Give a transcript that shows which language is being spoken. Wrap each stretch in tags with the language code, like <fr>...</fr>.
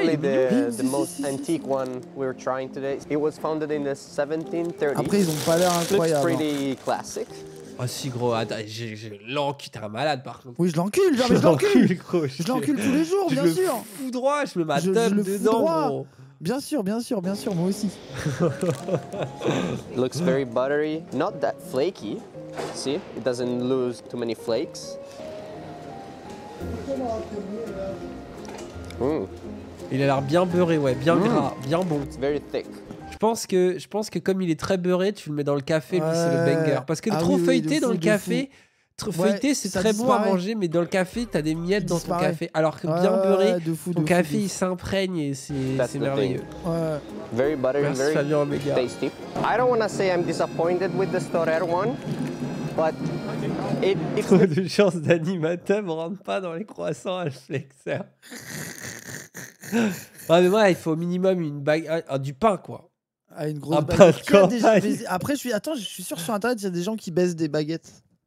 <en>probably the most antique one we're trying today. It was founded in the 1730s.</en> <fr>Après, ils ont pas l'air incroyable.</fr> <en>Looks pretty classic.</en> <fr>Oh si gros, attends, je l'encule, t'es un malade par contre. Oui, je l'encule, genre, je l'encule tous les jours, bien sûr. Je le fous droit, je me mets ma teub dedans, gros. Bien sûr, moi aussi.</fr> <en>Looks very buttery, not that flaky. See, it doesn't lose too many flakes.</en> <fr>Il a l'air bien beurré, ouais, bien gras, bien bon.</fr> <en>It's very thick.</en> <fr>Je pense que comme il est très beurré, tu le mets dans le café, lui c'est le banger. Parce que feuilleté dans le café, feuilleté c'est très bon à manger, mais dans le café t'as des miettes dans ton café. Alors que bien beurré, ton café il s'imprègne et c'est merveilleux. Ouais.</fr> <en>Very buttery, very tasty. I don't want to say I'm disappointed with the Storer one. But it's</en> <fr>trop de chance, dany ma teub rentre pas dans les croissants à flexeur. Ouais, mais moi, il faut au minimum une bague, du pain, quoi. À une grosse baguette. Après, je suis sûr sur internet, il y a des gens qui baissent des baguettes.</fr>